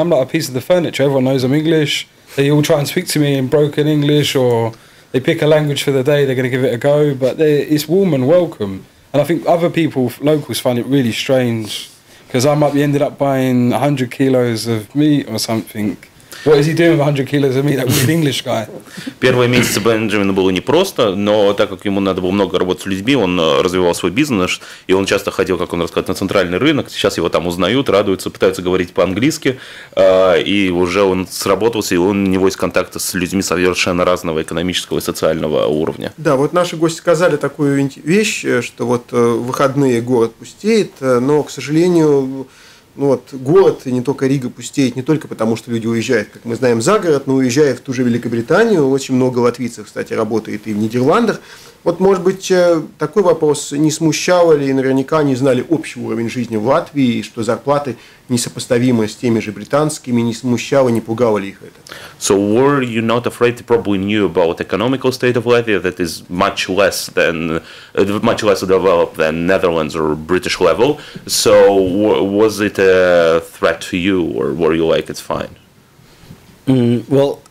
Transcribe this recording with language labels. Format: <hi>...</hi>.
<en>I'm like a piece of the furniture. Everyone knows I'm English. They all try and speak to me in broken English, or they pick a language for the day. They're going to give it a go. But it's warm and welcome. And I think other people, locals, find it really strange because I might be ended up buying 100 kilos of meat or something. What is he doing with 100 kilos of meat? That weird English guy.</en> <ru>Первые месяцы Бенджамина было непросто, но так как ему надо было много работать с людьми, он развивал свой бизнес, и он часто ходил, как он рассказывает, на центральный рынок. Сейчас его там узнают, радуются, пытаются говорить по-английски, и уже он сработался, и у него есть контакты с людьми совершенно разного экономического и социального уровня. Да, вот наши гости сказали такую вещь, что вот выходные город пустеет, но, к сожалению... Ну вот, город, и не только Рига, пустеет не только потому, что люди уезжают, как мы знаем, за город, но уезжая в ту же Великобританию. Очень много латвийцев, кстати, работает и в Нидерландах. Вот, может быть, такой вопрос не смущало ли, и наверняка не знали общий уровень жизни в Латвии, что зарплаты несопоставимы с теми же британскими, не смущало, не пугало ли их это?</ru> <en>So were you not afraid, they probably knew about economical state of Latvia that is much less developed than Netherlands or British level? So was it a threat to you, or were you like, it's fine? Well...</en>